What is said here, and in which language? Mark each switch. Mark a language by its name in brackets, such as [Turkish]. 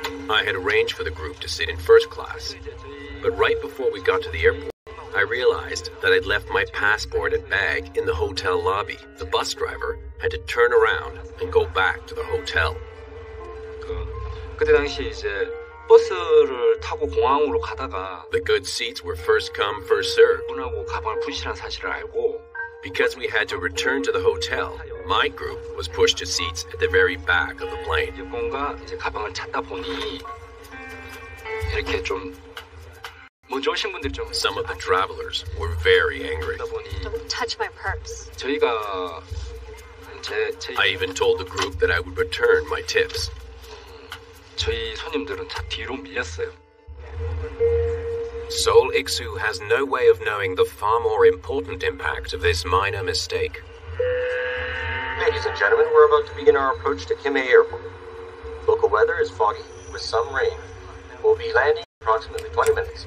[English] I had arranged for the group to sit in first class, but right before we got to the airport, I realized that I'd left my passport and bag in the hotel lobby. The bus driver had to turn around and go back to the hotel. [Korean] 그때 당시 이제 버스를 타고 공항으로 가다가 [English] the good seats were first come, first served. [Korean] 문하고 가방을 분실한 사실을 알고 [English] because we had to return to the hotel, my group was pushed to seats at the very back of the plane. [Korean] 뭔가 이제 가방을 찾다 보니 이렇게 좀 먼저 오신 분들 좀 [English] some of the travelers were very angry. Don't touch my purse. [Korean] 저희가 [English] I even told the group that I would return my tips. [Korean] 저희 손님들은 다 뒤로 밀렸어요. [English] Sol Iksu has no way of knowing the far more important impact of this minor mistake. Ladies and gentlemen, we're about to begin our approach to Kimei Airport. Local weather is foggy with some rain. We'll be landing in approximately 20 minutes.